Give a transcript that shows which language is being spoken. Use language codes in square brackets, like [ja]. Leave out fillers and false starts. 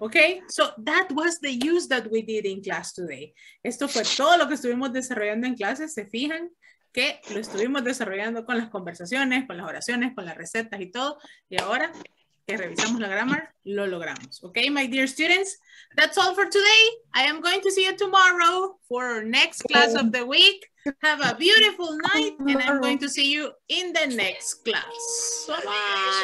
[en] Okay, so that was the use that we did in class today. [es] Esto fue todo lo que estuvimos desarrollando en clases. ¿Se fijan? Que lo estuvimos desarrollando con las conversaciones, con las oraciones, con las recetas y todo. Y ahora que revisamos la grammar, lo logramos. [en] Okay, my dear students, that's all for today. I am going to see you tomorrow for our next class of the week. Have a beautiful night and I'm going to see you in the next class.